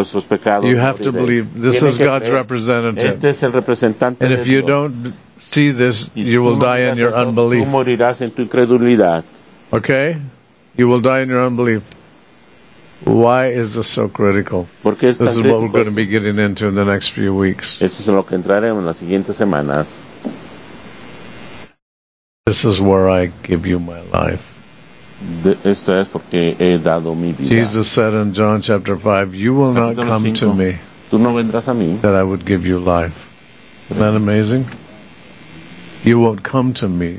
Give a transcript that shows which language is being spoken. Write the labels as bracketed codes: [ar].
[en] You have to believe. This is God's representative. And if you don't see this, you will die in your unbelief. Okay? You will die in your unbelief. Why is this so critical? This is what we're going to be getting into in the next few weeks. [es] Esto es lo que entraremos en las siguientes semanas. [en] This is where I give you my life. [es] Esto es porque he dado mi vida. [en] Jesus said in John chapter 5, you will not come to me, [es] tú no vendrás a mí, [en] that I would give you life. Isn't that amazing? You won't come to me,